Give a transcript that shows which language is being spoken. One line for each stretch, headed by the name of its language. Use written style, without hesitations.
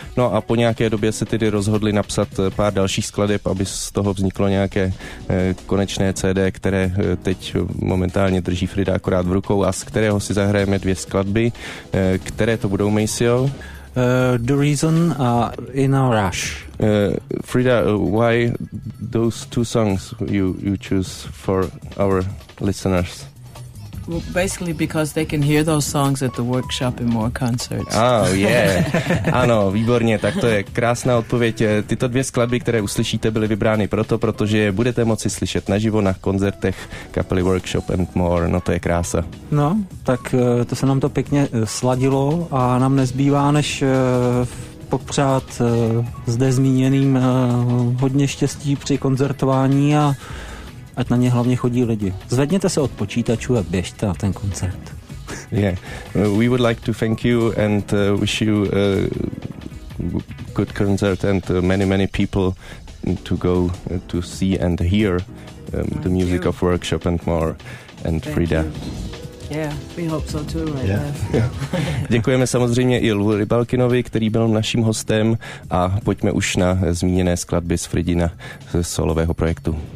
Czech: No a po nějaké době se tedy rozhodli napsat pár dalších skladeb, aby z toho vzniklo nějaké konečné CD, které teď momentálně drží Frida akorát v rukou a z kterého si zahrajeme dvě skladby, které to budou, Maceo?
English: The reason in a rush. Frida, why those two songs you choose for our listeners? Well, basically because they can hear those songs at the workshop in more concerts. Oh, yeah.
Czech: Ano, výborně, tak to je krásná odpověď. Tyto dvě skladby, které uslyšíte, byly vybrány proto, protože je budete moci slyšet naživo na koncertech kapely Workshop and More. No, to je krása. No, tak to se nám to pěkně sladilo a nám nezbývá, než popřát zde zmíněným hodně štěstí při koncertování a ať na ně hlavně chodí lidi. Zvedněte se od počítačů a běžte na ten koncert.
English: Yeah, we would like to thank you and wish you a good concert and many, many people to go to see and hear the music of Workshop and More and thank Frida. You. Yeah, we hope so too, right? Yeah.
Czech: Děkujeme samozřejmě i Lou Rybalkinovi, který byl naším hostem, a pojďme už na zmíněné skladby z Fridina ze solového projektu.